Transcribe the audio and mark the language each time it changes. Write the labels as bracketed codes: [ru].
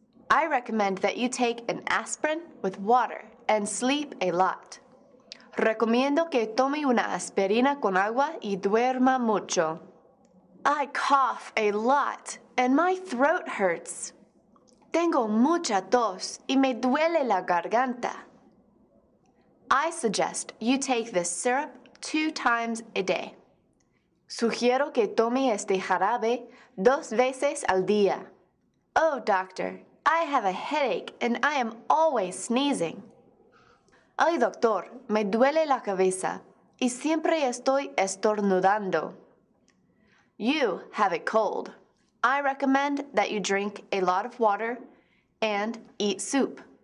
[en] I recommend that you take an aspirin with water and sleep a lot. [es] Recomiendo que tome una aspirina con agua y duerma mucho. [en] I cough a lot and my throat hurts. [es] Tengo mucha tos y me duele la garganta. [en] I suggest you take this syrup 2 times a day. [es] Sugiero que tome este jarabe 2 veces al día. [en] Oh, doctor, I have a headache and I am always sneezing. [es] Ay, doctor, me duele la cabeza y siempre estoy estornudando. [en] You have a cold. I recommend that you drink a lot of water and eat soup.